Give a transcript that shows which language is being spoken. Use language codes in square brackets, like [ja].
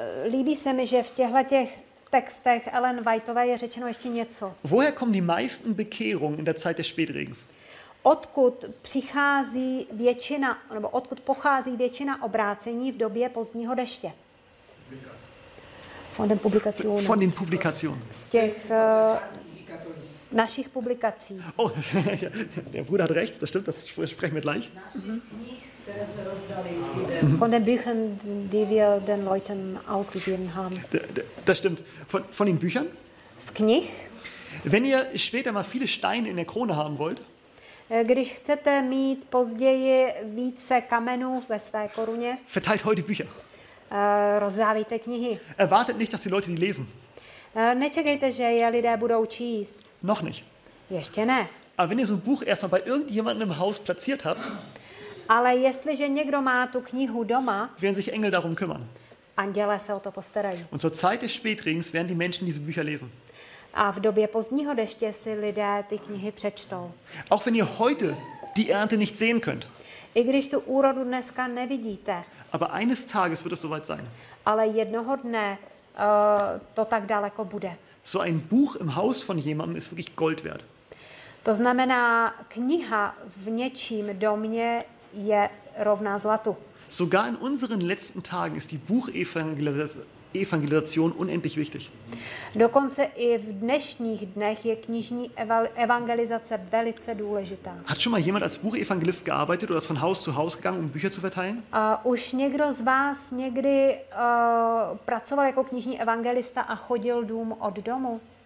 [cs] Líbí se mi, že v těchto těch textech Ellen Whiteové je řečeno ještě něco. [de] Woher kommen die meisten Bekehrungen in der Zeit des Spätregens? [cs] Odkud přichází většina, nebo odkud pochází většina obrácení v době pozdního deště? [de] Von den Publikationen. [cs] Z těch našich publikací. [de] Oh, der Bruder hat recht, das stimmt, das sprechen wir gleich. Von den Büchern, die wir den Leuten ausgegeben haben. Das stimmt, von den Büchern. [cs] Z knih. [de] Wenn ihr später mal viele Steine in der Krone haben wollt, [cs] když chcete mít později více kamenů ve své koruně, [de] verteilt heute Bücher. [cs] Rozdávejte knihy. [de] Erwartet nicht, dass die Leute die lesen. [cs] Nečekejte, že je lidé budou číst. [de] Noch nicht. [cs] Ještě ne. [de] Aber wenn ihr so ein Buch erstmal bei irgendjemandem im Haus platziert habt, [cs] ale jestliže někdo má tu knihu doma, [de] werden sich Engel darum kümmern. [cs] Anděle se o to postarají. [de] Und zur Zeit des Spätregens werden die Menschen diese Bücher lesen. [cs] A v době pozdního deště si lidé ty knihy přečtou. [de] Auch wenn ihr heute die Ernte nicht sehen könnt. [cs] I když tu úrodu dneska nevidíte. [de] Aber eines Tages wird es soweit sein. [cs] Ale jednoho dne to tak daleko bude. [de] So ein Buch im Haus von jemandem ist wirklich Gold wert. [cs] To znamená, kniha v něčím domě je rovná zlatu. [de] Sogar in unseren letzten Tagen ist die Buchevangelisation unendlich wichtig. [cs] Dokonce i v dnešních dnech je knižní evangelizace velice důležitá. [de] Hat schon mal jemand als Buchevangelist gearbeitet oder ist von Haus zu Haus gegangen, um Bücher zu verteilen? [cs] Už někdo z vás někdy pracoval jako knižní evangelista a chodil dům od domu?